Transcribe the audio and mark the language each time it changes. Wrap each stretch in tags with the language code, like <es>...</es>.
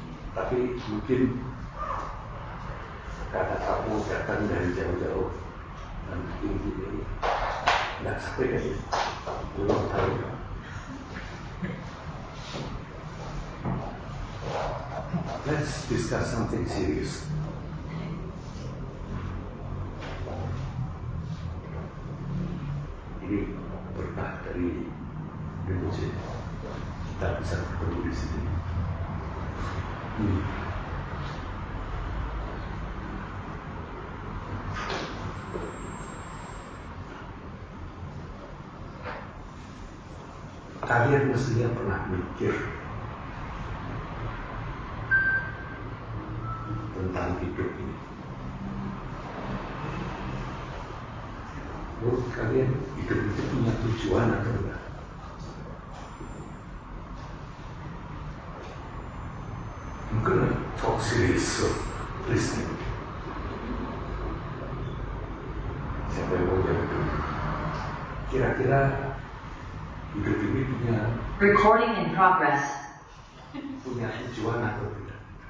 <id>Tapi mungkin karena kamu datang dari jauh-jauh dan tinggi ini, enggak sampai kan ya, belum tahu.</id> <en>Let's discuss something serious.</en> <id>Ini berkah dari BBC. Kita bisa bertemu di sini. Kalian mestinya pernah mikir tentang hidup ini. Menurut kalian, hidup itu punya tujuan atau enggak?</id> <en>I'm gonna talk serious, so listen.</en> <id>Siapa yang mau jawab dulu? Kira-kira hidup ini punya...</id> <en>Recording in progress.</en> <id>Punya tujuan atau enggak?</id>